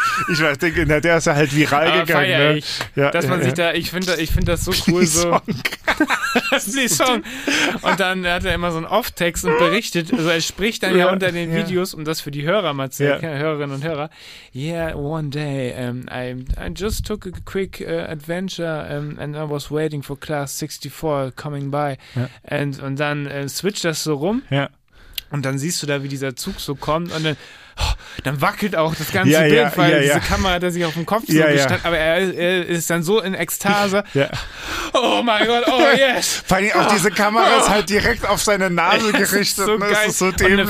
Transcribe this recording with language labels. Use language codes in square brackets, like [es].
[de] Ich weiß, der ist ja halt viral gegangen. Feier, ne? Ja, dass man sich da, ich finde das so cool. So. Lee Song. Und dann hat er immer so einen Off-Text und berichtet. Also er spricht dann unter den Videos, um das für die Hörer mal zu sehen, Hörerinnen und Hörer. [en] Yeah, one day, I just took a quick adventure and I was waiting for class 64 coming by. [de] Ja. Und dann switcht das so rum. Ja. Und dann siehst du da, wie dieser Zug so kommt und dann. Dann wackelt auch das ganze Bild, weil diese Kamera hat er sich auf dem Kopf gestanden. Aber er ist dann so in Ekstase. Ja. Oh mein Gott, [en] oh yes. [de] Vor allem auch diese Kamera ist halt direkt auf seine Nase gerichtet. Das ist so, ne? Geil. Ist so dämlich.